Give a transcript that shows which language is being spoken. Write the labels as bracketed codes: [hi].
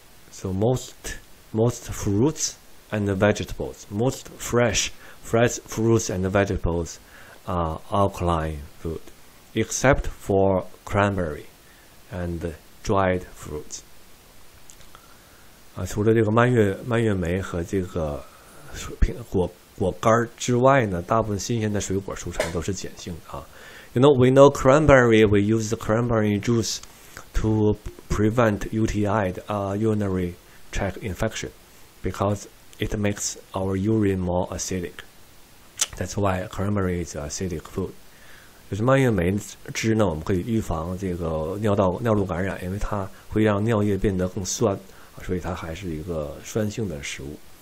[en] So, most fruits and vegetables, most fresh fruits and vegetables are alkaline food, except for cranberry and dried fruits. [zh] 除了这个蔓越莓和这个果干之外呢，大部分新鲜的水果蔬菜都是碱性的啊。 [en] You know, we know cranberry, we use the cranberry juice to prevent UTI, the, urinary tract infection, because it makes our urine more acidic. That's why cranberry is acidic food. [zh] 就是蔓越莓汁呢，我们可以预防这个尿路感染，因为它会让尿液变得更酸，所以它还是一个酸性的食物。